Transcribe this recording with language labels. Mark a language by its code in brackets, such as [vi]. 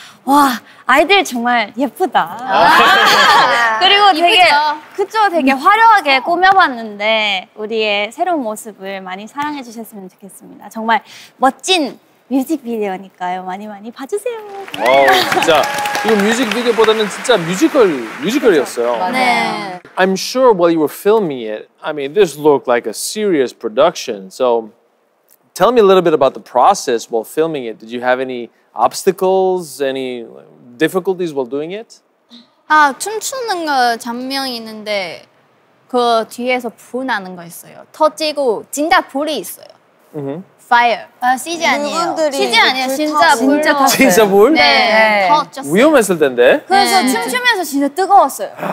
[ko] 와, 아이들 정말 예쁘다. 그리고 되게 그쵸? 되게 화려하게 꾸며봤는데 우리의 새로운 모습을 많이 사랑해 주셨으면 좋겠습니다. 정말 멋진 뮤직비디오니까요. 많이 많이 봐주세요. 와, 진짜 이거 뮤직비디오보다는 진짜 뮤지컬이었어요. 네. [en] I'm sure while you were filming it, I mean, this looked like a serious production. So tell me a little bit about the process while filming it. Did you have any obstacles, any difficulties while doing it? [ko] 아, 춤추는 거 장면 있는데 그 뒤에서 불 나는 거 있어요. 터지고 진짜 불이 있어요. [en] Fire. [ko] 아, CG 아니에요. CG 아니에요. 진짜 불. 진짜 탔어요. 진짜 불? 네. 터졌어요. 네. 위험했을 텐데. 그래서 네. 춤추면서 진짜 뜨거웠어요.